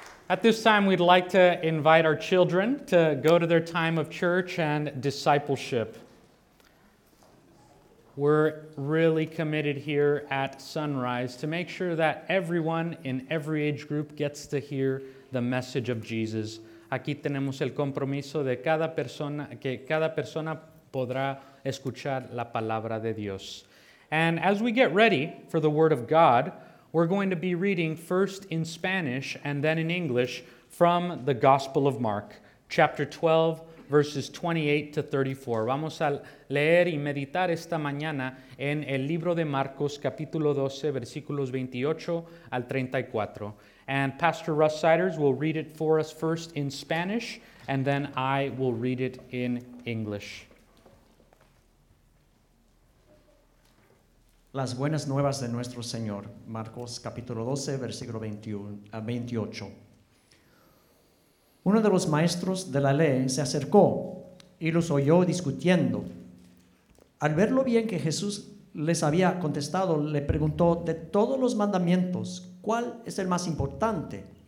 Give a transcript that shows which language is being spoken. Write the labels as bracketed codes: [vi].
[en] At this time, we'd like to invite our children to go to their time of church and discipleship. We're really committed here at Sunrise to make sure that everyone in every age group gets to hear the message of Jesus. [es] Aquí tenemos el compromiso de cada persona, que cada persona podrá escuchar la palabra de Dios. [en] And as we get ready for the Word of God, we're going to be reading first in Spanish and then in English from the Gospel of Mark, chapter 12, verses 28 to 34. [es] Vamos a leer y meditar esta mañana en el libro de Marcos, capítulo 12, versículos 28 al 34. [en] And Pastor Russ Siders will read it for us first in Spanish, and then I will read it in English. [es] Las buenas nuevas de nuestro Señor, Marcos capítulo 12, versículo 28. Uno de los maestros de la ley se acercó y los oyó discutiendo. Al ver lo bien que Jesús les había contestado, le preguntó, de todos los mandamientos, ¿cuál es el más importante?